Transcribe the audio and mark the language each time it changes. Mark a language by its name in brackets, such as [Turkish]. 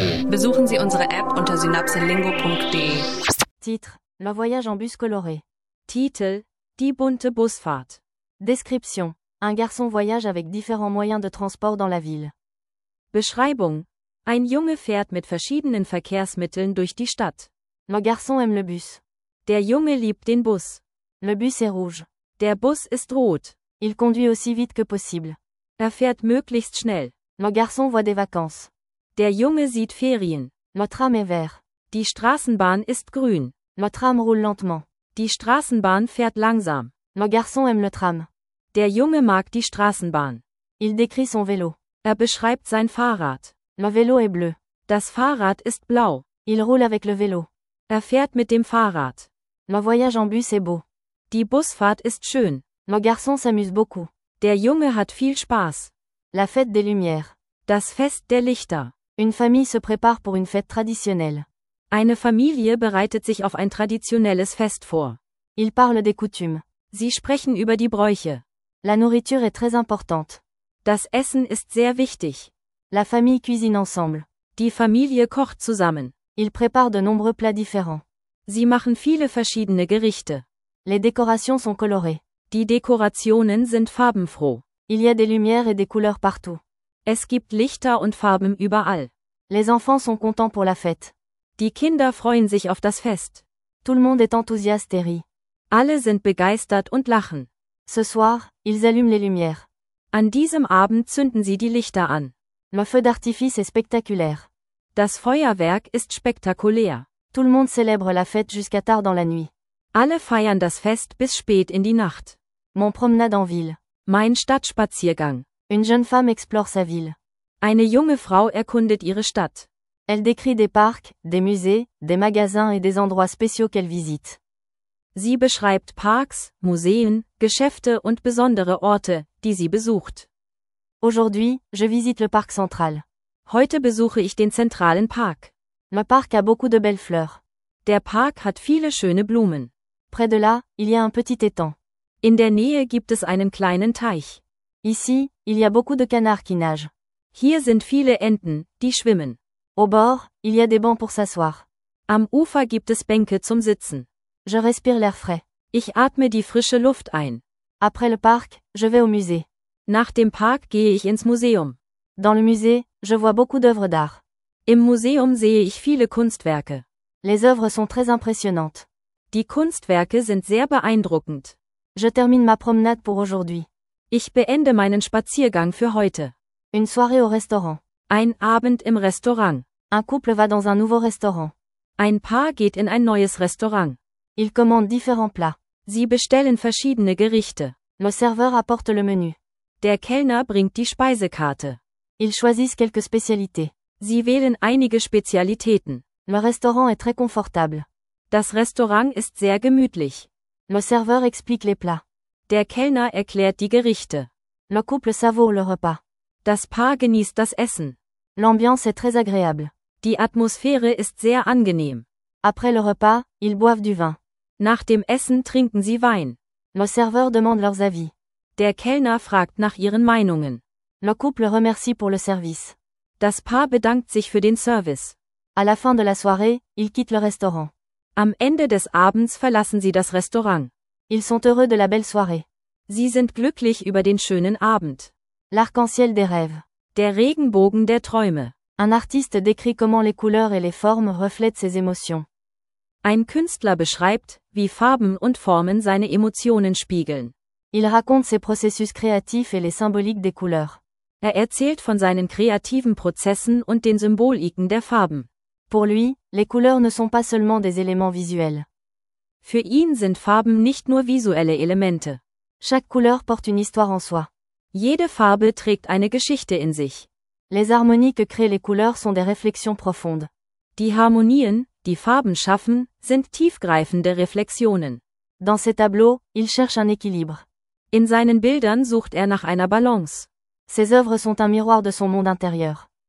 [German] Besuchen Sie unsere App unter synapselingo.de. [French] Titre: Le voyage en bus coloré. [German] Titel: Die bunte Busfahrt. [French] Description: Un garçon voyage avec différents moyens de transport dans la ville. [German] Beschreibung: Ein Junge fährt mit verschiedenen Verkehrsmitteln durch die Stadt. [French] Le garçon aime le bus. [German] Der Junge liebt den Bus. [French] Le bus est rouge. [German] Der Bus ist rot. [French] Il conduit aussi vite que possible. [German] Er fährt möglichst schnell. [French] Le garçon voit des vacances. [German] Der Junge sieht Ferien. [French] Le tram est vert. [German] Die Straßenbahn ist grün. [French] Le tram roule lentement. [German] Die Straßenbahn fährt langsam. [French] Le garçon aime le tram. [German] Der Junge mag die Straßenbahn. [French] Il décrit son vélo. [German] Er beschreibt sein Fahrrad. [French] Le vélo est bleu. [German] Das Fahrrad ist blau. [French] Il roule avec le vélo. [German] Er fährt mit dem Fahrrad. [French] Le voyage en bus est beau. [German] Die Busfahrt ist schön. [French] Le garçon s'amuse beaucoup. [German] Der Junge hat viel Spaß. [French] La fête des Lumières. [German] Das Fest der Lichter. [French] Une famille se prépare pour une fête traditionnelle. [German] Eine Familie bereitet sich auf ein traditionelles Fest vor. [French] Ils parlent des coutumes. [German] Sie sprechen über die Bräuche. [French] La nourriture est très importante. [German] Das Essen ist sehr wichtig. [French] La famille cuisine ensemble. [German] Die Familie kocht zusammen. [French] Ils préparent de nombreux plats différents. [German] Sie machen viele verschiedene Gerichte. [French] Les décorations sont colorées. [German] Die Dekorationen sind farbenfroh. [French] Il y a des lumières et des couleurs partout. [German] Es gibt Lichter und Farben überall. [French] Les enfants sont contents pour la fête. [German] Die Kinder freuen sich auf das Fest. [French] Tout le monde est enthousiaste et rit. [German] Alle sind begeistert und lachen. [French] Ce soir, ils allument les lumières. [German] An diesem Abend zünden sie die Lichter an. [French] Le feu d'artifice est spectaculaire. [German] Das Feuerwerk ist spektakulär. [French] Tout le monde célèbre la fête jusqu'à tard dans la nuit. [German] Alle feiern das Fest bis spät in die Nacht. [French] Mon promenade en ville. [German] Mein Stadtspaziergang. [French] Une jeune femme explore sa ville. [German] Eine junge Frau erkundet ihre Stadt. [French] Elle décrit des parcs, des musées, des magasins et des endroits spéciaux qu'elle visite. [German] Sie beschreibt Parks, Museen, Geschäfte und besondere Orte, die sie besucht. [French] Aujourd'hui, je visite le parc central. [German] Heute besuche ich den zentralen Park. [French] Le parc a beaucoup de belles fleurs. [German] Der Park hat viele schöne Blumen. [French] Près de là, il y a un petit étang. [German] In der Nähe gibt es einen kleinen Teich. [French] Ici, il y a beaucoup de canards qui nagent. [German] Hier sind viele Enten, die schwimmen. [French] Au bord, il y a des bancs pour s'asseoir. [German] Am Ufer gibt es Bänke zum Sitzen. [French] Je respire l'air frais. [German] Ich atme die frische Luft ein. [French] Après le parc, je vais au musée. [German] Nach dem Park gehe ich ins Museum. [French] Dans le musée, je vois beaucoup d'œuvres d'art. [German] Im Museum sehe ich viele Kunstwerke. [French] Les œuvres sont très impressionnantes. [German] Die Kunstwerke sind sehr beeindruckend. [French] Je termine ma promenade pour aujourd'hui. [German] Ich beende meinen Spaziergang für heute. [French] Une soirée au restaurant. [German] Ein Abend im Restaurant. [French] Un couple va dans un nouveau restaurant. [German] Ein Paar geht in ein neues Restaurant. [French] Ils commandent différents plats. [German] Sie bestellen verschiedene Gerichte. [French] Le serveur apporte le menu. [German] Der Kellner bringt die Speisekarte. [French] Ils choisissent quelques spécialités. [German] Sie wählen einige Spezialitäten. [French] Le restaurant est très confortable. [German] Das Restaurant ist sehr gemütlich. [French] Le serveur explique les plats. [German] Der Kellner erklärt die Gerichte. [French] Le couple savoure le repas. [German] Das Paar genießt das Essen. [French] L'ambiance est très agréable. [German] Die Atmosphäre ist sehr angenehm. [French] Après le repas, ils boivent du vin. [German] Nach dem Essen trinken sie Wein. [French] Le serveur demande leurs avis. [German] Der Kellner fragt nach ihren Meinungen. [French] Le couple remercie pour le service. [German] Das Paar bedankt sich für den Service. [French] À la fin de la soirée, ils quittent le restaurant. [German] Am Ende des Abends verlassen sie das Restaurant. [French] Ils sont heureux de la belle soirée. [German] Sie sind glücklich über den schönen Abend. [French] L'arc-en-ciel des rêves. [German] Der Regenbogen der Träume. [French] Un artiste décrit comment les couleurs et les formes reflètent ses émotions. [German] Ein Künstler beschreibt, wie Farben und Formen seine Emotionen spiegeln. [French] Il raconte ses processus créatifs et les symboliques des couleurs. [German] Er erzählt von seinen kreativen Prozessen und den Symboliken der Farben. [French] Pour lui, les couleurs ne sont pas seulement des éléments visuels. [German] Für ihn sind Farben nicht nur visuelle Elemente. [French] Chaque couleur porte une histoire en soi. [German] Jede Farbe trägt eine Geschichte in sich. [French] Les harmonies que créent les couleurs sont des réflexions profondes. [German] Die Harmonien, die Farben schaffen, sind tiefgreifende Reflexionen. [French] Dans ses tableaux, il cherche un équilibre. [German] In seinen Bildern sucht er nach einer Balance. [French] Ses œuvres sont un miroir de son monde intérieur.